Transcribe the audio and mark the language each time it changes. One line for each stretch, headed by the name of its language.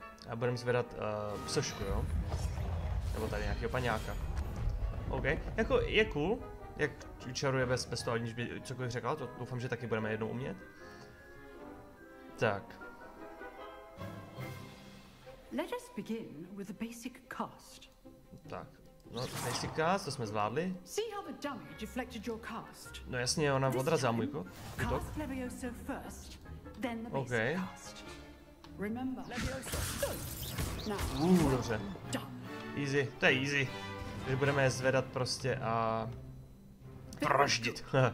Czech: A budeme zvedat psošku, jo? Nebo tady nějakého paňáka. OK. Jako je cool, jak čaruje bez toho, aniž by cokoliv řekla. To doufám, že taky budeme jednou umět. Tak.
English: Let us begin with the basic cast.
Czech: Tak. No,
English: basic cast,
Czech: to jsme zvládli.
English: See how the damage affected your cast.
Czech: No jasně, ona odrazila můj kód.
English: Cast Levioso first, then the basic cast. Remember.
Czech: Levioso. Dobře. Easy, to je easy. Takže budeme je zvedat prostě a... proždit.